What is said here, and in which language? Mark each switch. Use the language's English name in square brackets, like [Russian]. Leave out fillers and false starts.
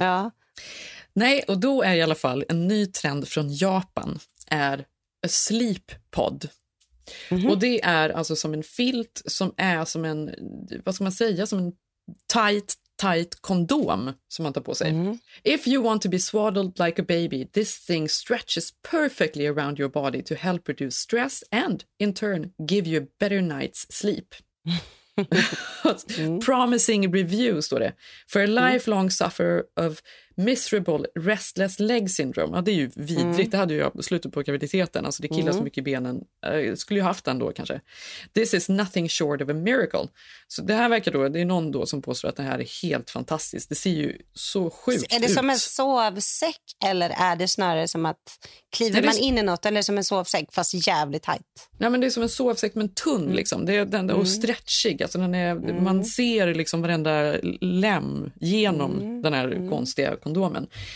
[Swedish] Ja. Nej, och då är i alla fall en ny trend från Japan är [English] a sleep pod. [Swedish] Mm-hmm. Och det är alltså som en filt som är som en, vad ska man säga, som en tight kondom som man tar på sig. Mm-hmm. [English] If you want to be swaddled like a baby, this thing stretches perfectly around your body to help reduce stress and in turn give you a better night's sleep. [Swedish] Mm-hmm. [English] Promising review [Swedish] står det. [English] For a lifelong sufferer of miserable restless leg syndrome. [Swedish] Ja, det är ju vidrigt. Det hade ju jag slutat på graviditeten. Alltså det killar så mycket i benen. Skulle ju haft den då kanske. [English] This is nothing short of a miracle. [Swedish] Så det här verkar då, det är någon då som påstår att det här är helt fantastiskt. Det ser ju så sjukt ut. Är det ut. Som en sovsäck eller är det snarare som att kliver man in i något eller som en sovsäck fast jävligt tajt? Nej, men det är som en sovsäck men tunn liksom. Det är den, och stretchig. Alltså den är, man ser liksom varenda läm genom den här konstiga kondomen.